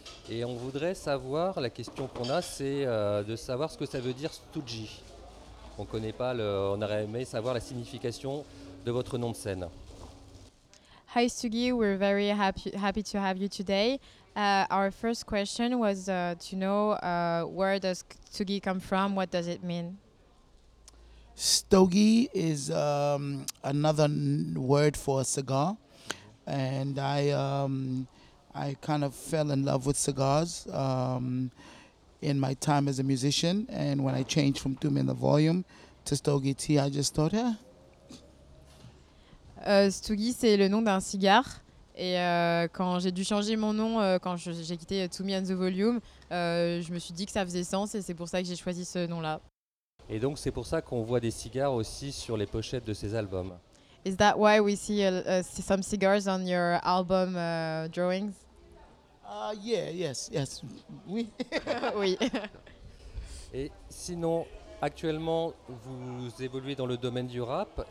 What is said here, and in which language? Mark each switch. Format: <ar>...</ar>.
<fr>Et on voudrait savoir, la question qu'on a, c'est de savoir ce que ça veut dire Stooji. On connaît pas, on aurait aimé savoir la signification de votre nom de scène.</fr> <en>Hi Stooji, we're very happy to have you today. Our first question was to know where does Stooji come from, what does it mean? Stogie is another word for a cigar, and I kind of fell in love with cigars in my time as a musician. And when I changed from Tumi and the Volume to Stogie T, I just thought, yeah.</en> <fr>Stogie, c'est le nom d'un cigare. Et quand j'ai dû changer mon nom, quand j'ai quitté</fr> <en>Tumi and the Volume,</en> <fr>je me suis dit que ça faisait sens, et c'est pour ça que j'ai choisi ce nom-là. Et donc c'est pour ça qu'on voit des cigares aussi sur les pochettes de ces albums.</fr> <en>Is that why we see some cigars on your album drawings? Yes.</en> <fr>Oui. Oui. Et sinon, actuellement, vous évoluez dans le domaine du rap.</fr>